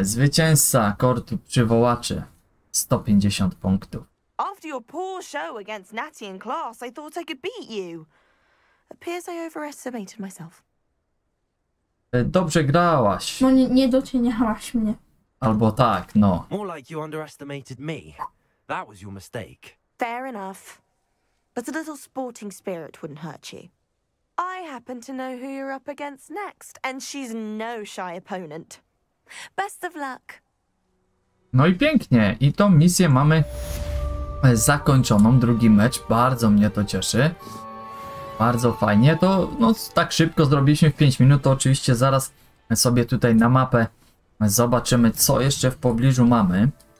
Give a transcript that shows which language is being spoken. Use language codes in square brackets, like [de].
[pl] Zwycięzca kortu przywołaczy. 150 punktów. [en] After your poor show against Natty in class, I thought I could beat you. Appears I overestimated myself. [pl] Dobrze grałaś. No nie doceniałaś mnie. Albo tak, no. [en] More like you underestimated me. That was your mistake. Fair enough. But a little sporting spirit wouldn't hurt you. I happen to know who you're up against next, and she's no shy opponent. Best of luck. [pl] No i pięknie. I tą misję mamy zakończoną. Drugi mecz. Bardzo mnie to cieszy. Bardzo fajnie. To no, tak szybko zrobiliśmy w 5 minut. To oczywiście zaraz sobie tutaj na mapę zobaczymy, co jeszcze w pobliżu mamy.